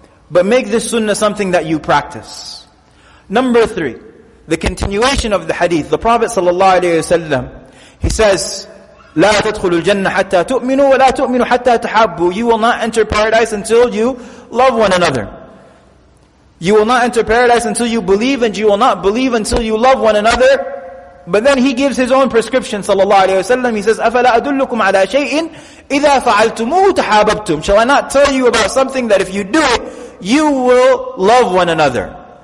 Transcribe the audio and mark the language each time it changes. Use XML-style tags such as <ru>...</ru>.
<en>But make this sunnah something that you practice. Number three, the continuation of the hadith, the Prophet sallallahu alaihi wasallam, he says,</en> <ar>لا تدخل الجنة حتى تؤمنوا ولا تؤمنوا حتى تحبوا.</ar> <en>You will not enter paradise until you love one another. You will not enter paradise until you believe, and you will not believe until you love one another. But then he gives his own prescription, sallallahu alaihi wasallam. He says,</en> <ar>أفلا أدلكم على شيء إذا فعلتموه تحاببتم.</ar> <en>Shall I not tell you about something that if you do it, you will love one another?</en>